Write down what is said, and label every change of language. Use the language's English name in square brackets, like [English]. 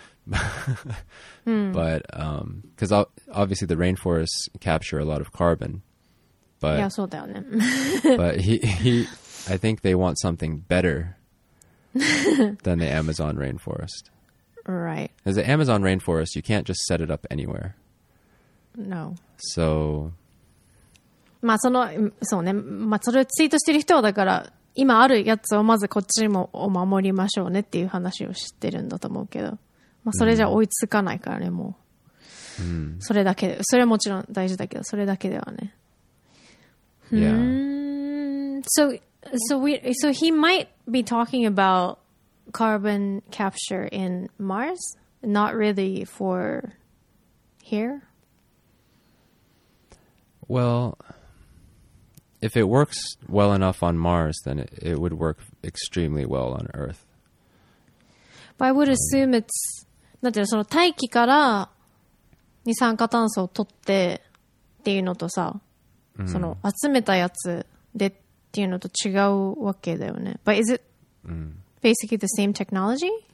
[English] But, because obviously the rainforests capture a lot of carbon. But, yeah, so down there. But he, I think they want something better than the Amazon rainforest. Right. Because the Amazon rainforest, you can't just set it up anywhere. No. So. [Japanese] まあその、そうね。まあそれをツイートしてる人はだから、今あるやつをまずこっちにもお守りましょうねっていう話をしてるんだと思うけど。まあそれじゃ追いつかないからね、もう。それだけで、それはもちろん大事だけど、それだけではね。 [English] Yeah. So he might be talking about carbon capture in Mars, not really for here. Well, if it works well enough on Mars, then it would work extremely well on Earth. But I would assume it's [Japanese] なんていうのその大気から二酸化炭素を取ってっていうのとさ。その集めたやつでっていうのと違うわけだよね。 [English] But is it basically the same technology?